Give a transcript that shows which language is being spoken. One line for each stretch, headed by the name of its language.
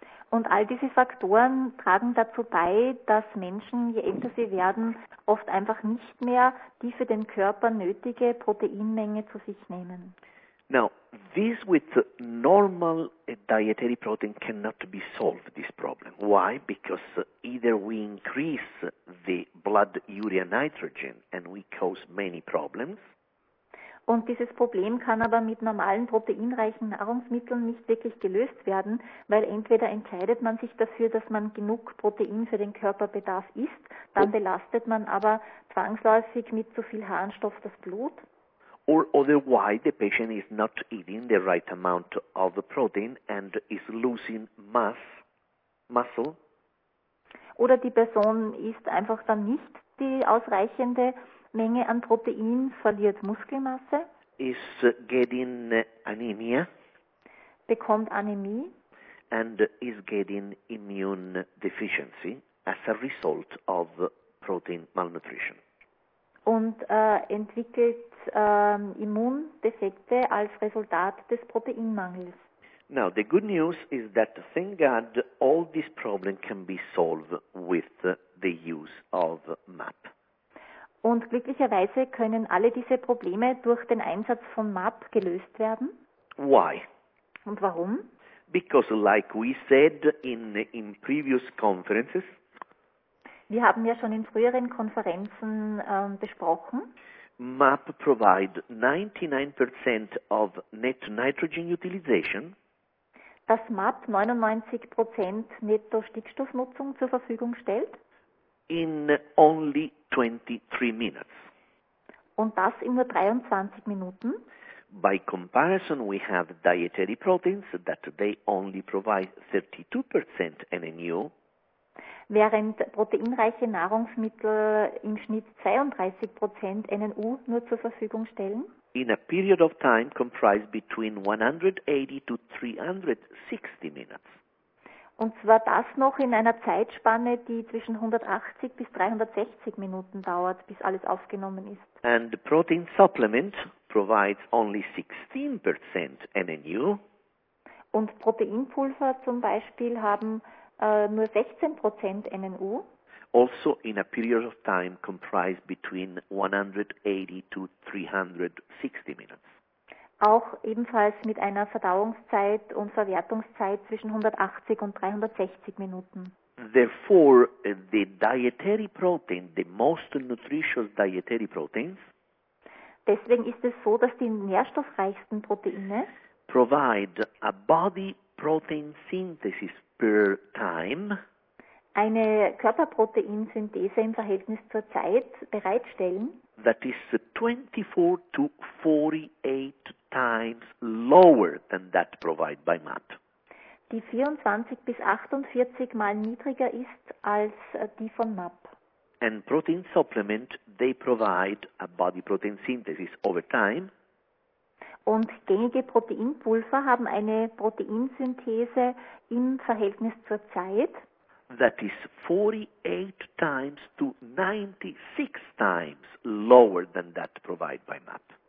German: Und all diese Faktoren tragen dazu bei, dass Menschen, je älter sie werden, oft einfach nicht mehr die für den Körper nötige Proteinmenge zu sich nehmen.
English: Now, this with normal dietary protein cannot be solved, this problem. Why? Because either we increase the blood urea nitrogen and we cause many problems.
German: Und dieses Problem kann aber mit normalen proteinreichen Nahrungsmitteln nicht wirklich gelöst werden, weil entweder entscheidet man sich dafür, dass man genug Protein für den Körperbedarf isst, dann belastet man aber zwangsläufig mit zu viel Harnstoff das Blut.
English: Or otherwise the patient is not eating the right amount of the protein and is losing muscle.
German: Oder die Person isst einfach dann nicht die ausreichende Menge an Protein, verliert Muskelmasse,
English: is getting anemia,
German: bekommt Anämie,
English: and is getting immune deficiency as a result of protein malnutrition.
German: Und entwickelt Immundefekte als Resultat des Proteinmangels.
English: Now, the good news is that, thank God, all these problems can be solved with the use of MAP.
German: Und glücklicherweise können alle diese Probleme durch den Einsatz von MAP gelöst werden.
English: Why?
German: Und warum?
English: Because like we said in previous conferences,
German: wir haben ja schon in früheren Konferenzen besprochen,
English: MAP provide 99% of net nitrogen utilization,
German: dass MAP 99% netto Stickstoffnutzung zur Verfügung stellt,
English: in only 23 minutes.
German: Und das in nur 23 Minuten.
English: By comparison, we have dietary proteins that they only provide 32% NNU.
German: Während proteinreiche Nahrungsmittel im Schnitt 32% NNU nur zur Verfügung stellen.
English: In a period of time comprised between 180 to 360 minutes.
German: Und zwar das noch in einer Zeitspanne, die zwischen 180 bis 360 Minuten dauert, bis alles aufgenommen ist.
English: And the protein supplement provides only 16% NNU.
German: Und Proteinpulver zum Beispiel haben nur 16% NNU.
English: Also in a period of time comprised between 180 to 360 minutes.
German: Auch ebenfalls mit einer Verdauungszeit und Verwertungszeit zwischen 180 und 360 Minuten.
English: Therefore, the dietary protein, the most nutritious dietary proteins,
German: deswegen ist es so, dass die nährstoffreichsten Proteine
English: provide a body protein synthesis per time,
German: eine Körperproteinsynthese im Verhältnis zur Zeit bereitstellen,
English: that is 24 to 48 times lower than that provided by MAT.
German: Die 24 bis 48 mal niedriger ist als die von MAP.
English: And protein supplement, they provide a body protein synthesis over time.
German: Und gängige Proteinpulver haben eine Proteinsynthese im Verhältnis zur Zeit.
English: That is 48 times to 96 times lower than that provided by MAP.